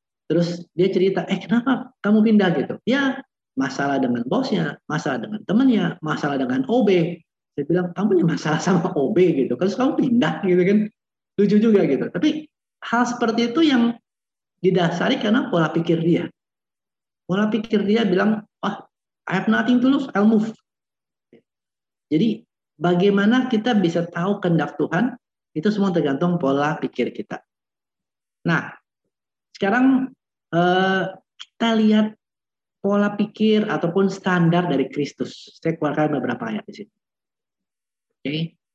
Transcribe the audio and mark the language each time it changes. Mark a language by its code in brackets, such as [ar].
[id] Terus dia cerita, kenapa kamu pindah gitu? Ya, masalah dengan bosnya, masalah dengan temannya, masalah dengan OB. Saya bilang, kamu punya masalah sama OB gitu. Terus kamu pindah gitu kan. Lucu juga gitu. Tapi hal seperti itu yang didasari karena pola pikir dia. Pola pikir dia bilang, [en] I have nothing to lose, I'll move. [id] Jadi bagaimana kita bisa tahu kehendak Tuhan, itu semua tergantung pola pikir kita. Nah, sekarang kita lihat pola pikir ataupun standar dari Kristus. Saya keluarkan beberapa ayat di sini. Okay.